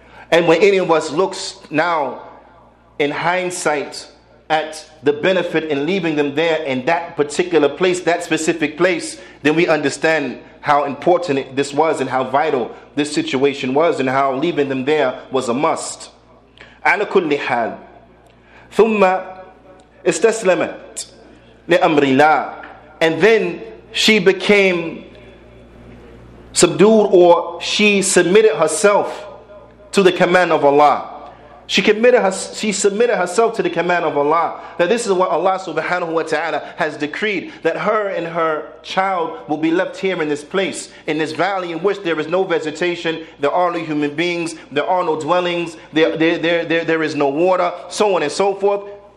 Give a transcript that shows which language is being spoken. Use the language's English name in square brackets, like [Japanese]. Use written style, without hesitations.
[English] And when any of us looks now in hindsight at the benefit in leaving them there in that particular place, that specific place, then we understand how important this was and how vital this situation was and how leaving them there was a must. [Arabic] على كل حال ثم استسلمت لأمر الله. [English] And then she became subdued, or she submitted herself to the command of Allah. She submitted herself to the command of Allah. That this is what Allah subhanahu wa ta'ala has decreed, that her and her child will be left here in this place, in this valley in which there is no vegetation, there are no human beings, there are no dwellings, there is no water, so on and so forth.